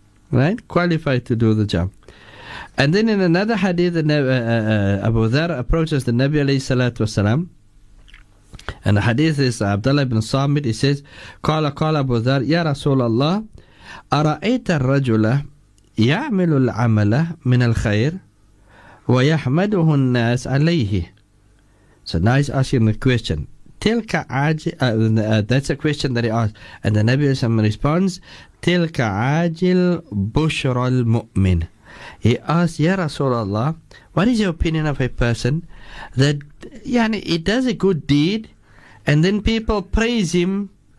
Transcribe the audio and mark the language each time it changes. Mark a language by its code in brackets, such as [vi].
[en] Right? Qualified to do the job. And then in another hadith, Abu Dharr approaches the Nabi alayhi salatu wasalam. And the hadith is Abdullah ibn Samit. He says, [ar] Qala Abu Dharr, Ya Rasulallah, Ara'ayta al-Rajula يعمل العمل من الخير ويحمده الناس عليه. [en] So now he's asking the question. [ar] تلك عاجل [en] that's a question that he asked. And the Nabi Muhammad responds, [ar] تلك عاجل بشرى المؤمن. [en] He asks, Ya Rasulullah, what is your opinion of a person that [ar] يعني [en] he does a good deed and then people praise him?